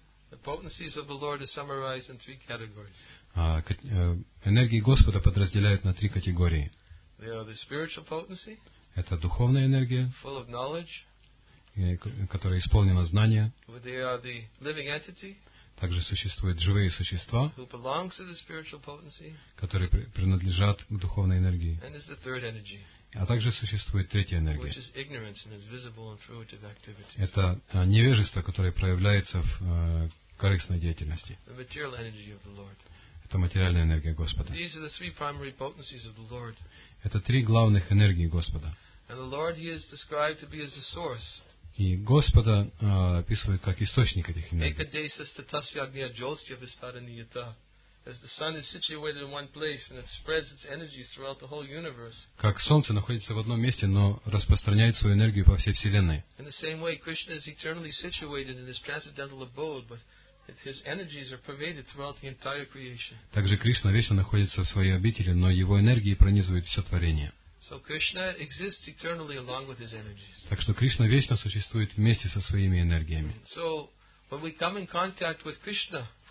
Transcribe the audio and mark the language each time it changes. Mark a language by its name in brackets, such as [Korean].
[English] The potencies of the Lord are summarized in three categories. [Russian] Энергии Господа подразделяют на три категории. [English] They are the spiritual potency. [Russian] Это духовная энергия. [English] Full of knowledge. [Russian] Которая исполнена знания. [English] They are the living entity. [Russian] Также существуют живые существа. [English] Who belong to the spiritual potency. [Russian] Которые принадлежат к духовной энергии. [English] And is the third energy. [Russian] А также существует третья энергия. [English] Which is ignorance and is visible and fruitive activities. [Russian] Это невежество, которое проявляется в корыстной деятельности. [English] The material energy of the Lord. [Russian] Это материальная энергия Господа. [English] These are the three primary potencies of the Lord. [Russian] Это три главных энергии Господа. [English] And the Lord, he is described to be as the source. [Russian] И Господа описывают как источник этих энергий. [Sanskrit] Ekadesa-statasya-agnya-jostya-vistara-niyata. [English] As the sun is situated in one place and it spreads its energies throughout the whole universe. [Russian] Как солнце находится в одном месте, но распространяет свою энергию по всей вселенной. [English] In the same way, Krishna is eternally situated in his transcendental abode, but his energies are pervaded throughout the entire creation. [Russian] Также Кришна вечно находится в своей обители, но его энергии пронизывают все творение. [English] So Krishna exists eternally along with his energies. [Russian] Так что Кришна вечно существует вместе со своими энергиями. [English] So when we come in contact with Krishna.